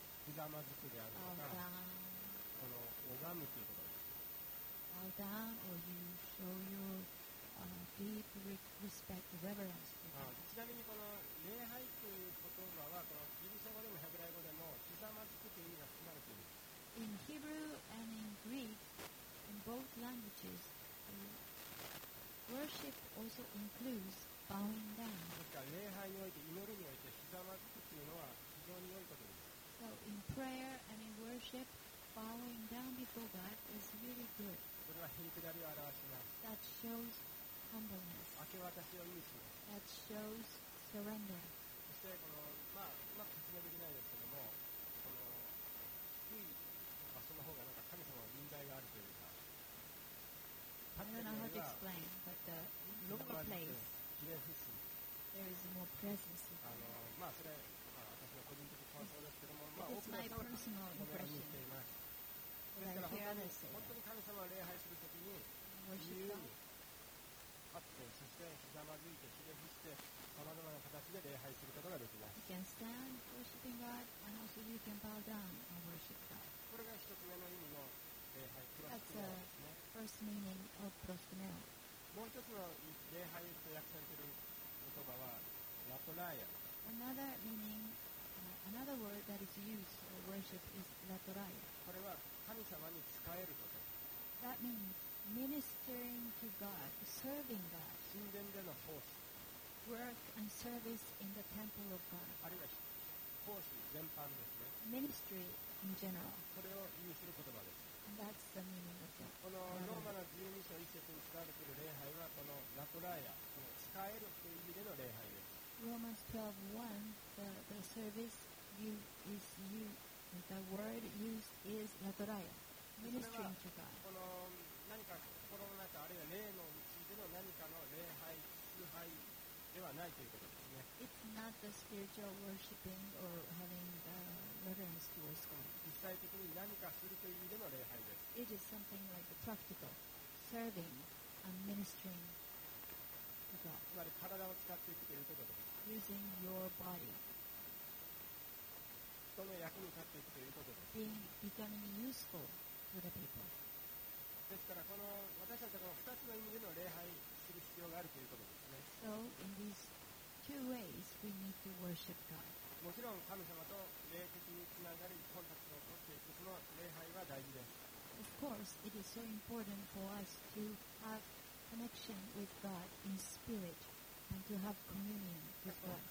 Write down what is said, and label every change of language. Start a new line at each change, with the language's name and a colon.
Japanese: ひざまずくであるとか、この拝むということです。
English: Bow down or you show your deep respect, reverence.
Japanese: ちなみにこの礼拝という言葉はこのギリシャ語でもヘブライ語でもひざまずくという意味が含まれています。
English: In Hebrew and in Greek, in both languages, worship also includes bowing down.
Japanese: ですから礼拝において祈りにおいてひざまずくというのは非常に良いことです。
English: So in prayer and in worship, bowing down before God is really good.
Japanese: それはへりくだりを表します。
English: That shows humbleness.
Japanese: 明け渡しを意味します。
English: That shows surrender.
Japanese: そしてこの、まあ、うまく説明できないですけども、この低い場所の方がなんか神様の臨在があるというか、
English: I don't know how to explain, but the lower place, there is more presence.
Japanese: まあ、それ、まあ、私の個人的感想ですけども、まあ、多くの人がこのように見ています。本当に神様を礼拝するときに自由に立って、そしてひざまずいてひれ伏して、さまざまな形で礼拝することができます。
English: You can stand worshiping God and also you can bow down and worship God.
Japanese: これが一つ目の意味の礼拝、プロスクネオですね。
English: That's the first meaning of プロスクネオ。
Japanese: もう一つの礼拝と訳されている言葉はラトラヤ。
English: Another meaning, another word that is used for worship is ラトラヤ。
Japanese: これは神様に仕えること。
English: That means ministering to God, serving God.
Japanese: 神殿での奉仕。
English: Work and service in the temple of God.
Japanese: あるいは奉仕全般ですね。
English: Ministry in general.
Japanese: これを意味する言葉です。
English: That's the meaning of that.
Japanese: このローマの12章1節に使われている礼拝はこのラトラヤ、この仕えるという意味での礼拝です。
English: Romans 12:1, the service you is you. The word used is Latoraya, ministering to God.
Japanese: この何か心の中あるいは霊のうちでの何かの礼拝崇拝ではないということですね。
English: It's not the spiritual worshiping or having the reverence towards God.
Japanese: 実際的に何かするという意味での礼拝です。
English: It is something like a practical serving and ministering to God.
Japanese: つまり体を使っていくということです。
English: Using your body.
Japanese: 人の役に立っていくということです。
English: Becoming useful to the people.
Japanese: ですからこの私たちはこの2つの意味での礼拝する必要があるということですね。
English: So in these two ways, we need to worship God.
Japanese: もちろん神様と霊的につながりコンタクトを取っていくその礼拝は大事です。
English: Of course, it is so important for us to have connection with God in spirit and to have communion with God.